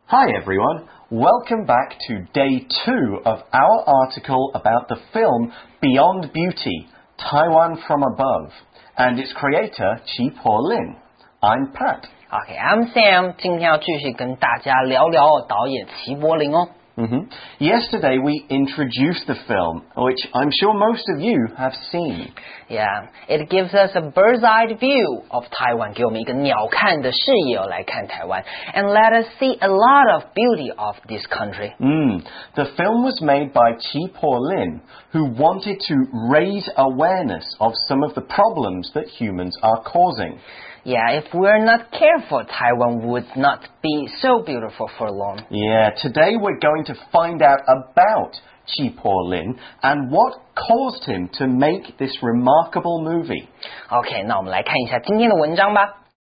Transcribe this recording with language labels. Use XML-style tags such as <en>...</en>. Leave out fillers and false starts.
<en>Hi everyone, welcome back to day two of our article about the film Beyond Beauty, Taiwan from Above, and its creator, Chi Po Lin. I'm Pat. Okay, I'm Sam.</en> <zh>今天要继续跟大家聊聊导演齐柏林哦。</zh> <en>Yesterday we introduced the film, which I'm sure most of you have seen. Yeah, it gives us a bird's eye view of Taiwan,</en> <zh>给我们一个鸟瞰的视野来看台湾</zh> <en>and let us see a lot of beauty of this country. The film was made by Chi Po Lin, who wanted to raise awareness of some of the problems that humans are causing. Yeah, if we're not careful, Taiwan would not be so beautiful for long. Yeah, today we're going to find out about Chi Po Lin and what caused him to make this remarkable movie. Okay,</en> <zh>那我们来看一下今天的文章吧。</zh>